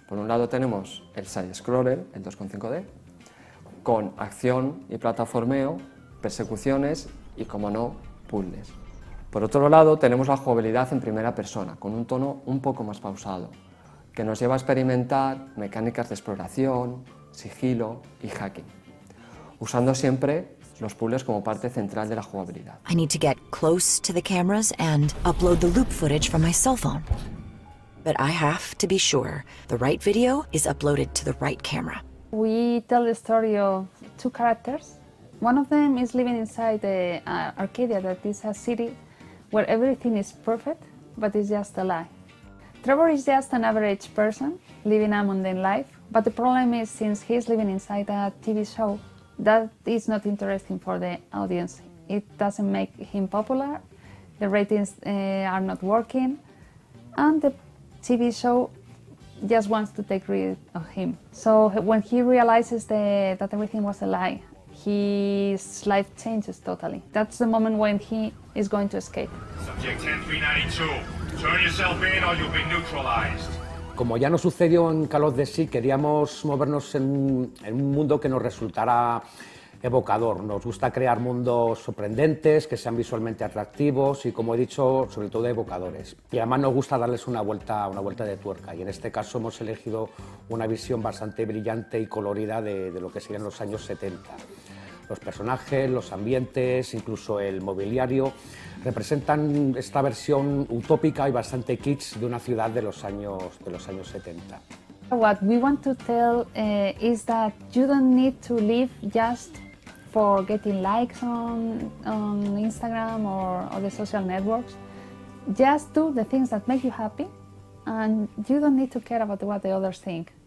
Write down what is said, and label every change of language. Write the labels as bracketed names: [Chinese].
[Spanish] Por un lado tenemos el side-scroller, el 2.5D, con acción y plataformeo, persecuciones y, como no, puzzles. Por otro lado, tenemos la jugabilidad en primera persona, con un tono un poco más pausado, que nos lleva a experimentar mecánicas de exploración, sigilo y hacking, usando siempre los puzzles como parte central de la jugabilidad. [English] I need to get close to the cameras and upload the loop footage from my cell phone. But I have to be sure the right video is uploaded to the right camera. We tell the story of two characters. One of them is living inside the Arcadia, that is a city where everything is perfect, but it's just a lie. Trevor is just an average person living a mundane life, but the problem is, since he's living inside a TV show, that is not interesting for the audience. It doesn't make him popular, the ratings are not working, and the TV show just wants to take rid of him. So when he realizes that everything was a lie, his life changes totally. That's the moment when he is going to escape. Subject 10392, turn yourself in or you'll be neutralized. [Spanish] Como ya nos sucedió en Call of Duty, queríamos movernos en un mundo que nos resultara evocador. Nos gusta crear mundos sorprendentes, que sean visualmente atractivos y, como he dicho, sobre todo evocadores. Y además nos gusta darles una vuelta de tuerca. Y en este caso hemos elegido una visión bastante brillante y colorida de lo que serían los años 70. Los personajes, los ambientes, incluso el mobiliario, representan esta versión utópica y bastante kitsch de una ciudad de los años 70. [English] What we want to tell is that you don't need to live just for getting likes on Instagram or other social networks. Just do the things that make you happy, and you don't need to care about what the others think.